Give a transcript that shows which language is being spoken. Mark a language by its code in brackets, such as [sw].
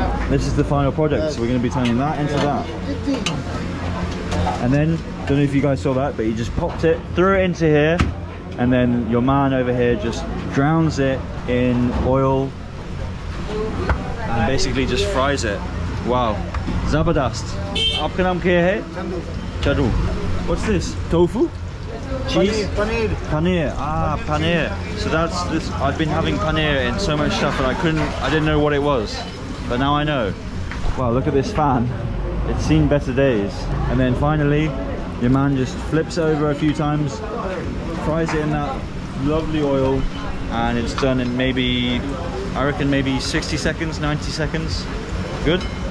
[en] This is the final product, yes. So we're going to be turning that into that. And then, don't know if you guys saw that, but you just popped it, threw it into here, and then your man over here just drowns it in oil. And basically just fries it. Wow. [hi] ज़बरदस्त. आपका नाम क्या है? [en] Chandu. What's this? Tofu? Cheese? Paneer. Paneer. Ah, paneer. So that's this. I've been having paneer in so much stuff and I didn't know what it was. But now I know. Wow, look at this fan. It's seen better days. And then finally, your man just flips it over a few times, fries it in that lovely oil, and it's done in maybe, I reckon maybe 60 seconds, 90 seconds. Good?